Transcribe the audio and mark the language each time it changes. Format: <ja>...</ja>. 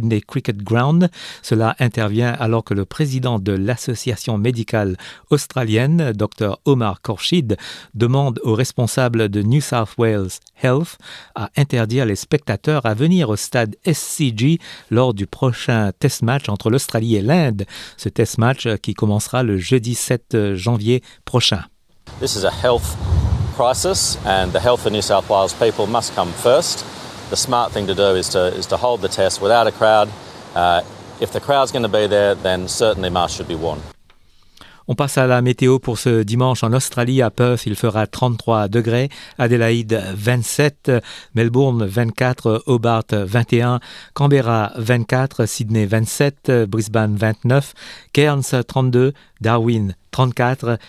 <fr>Sydney Cricket Ground. Cela intervient alors que le président de l'Association médicale australienne, Dr Omar Khorshid, demande aux responsables de New South Wales Health à interdire les spectateurs à venir au stade SCG lors du prochain test match entre l'Australie et l'Inde. Ce test match qui commencera le jeudi 7 janvier prochain.</fr> <en>This is a health crisis and the health of New South Wales people must come first. The smart thing to do is to hold the test without a crowd. If the crowd's going to be there, then certainly masks should be worn.</en> <fr>On passe à la météo pour ce dimanche en Australie. À Perth, il fera 33 degrés. Adélaïde, 27. Melbourne, 24. Hobart, 21. Canberra, 24. Sydney, 27. Brisbane, 29. Cairns, 32. Darwin, 34.</fr>